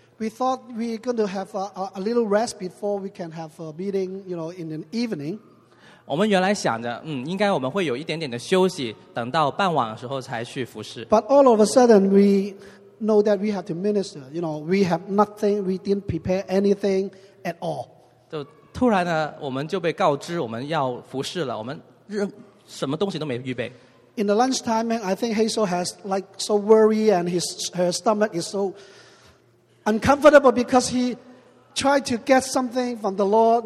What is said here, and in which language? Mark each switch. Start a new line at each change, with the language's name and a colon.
English: We thought we were going to have a little rest before we can have a meeting, you know, in the evening.
Chinese: 我们原来想着，应该我们会有一点点的休息，等到傍晚的时候才去服侍。
English: But all of a sudden, we know that we have to minister. You know, we have nothing. We didn't prepare anything at all.
Chinese: 就突然呢，我们就被告知我们要服侍了。我们什么东西都没预备。
English: In the lunchtime, I think Hazel has like so worried, and her stomach is so uncomfortable because he tried to get something from the Lord.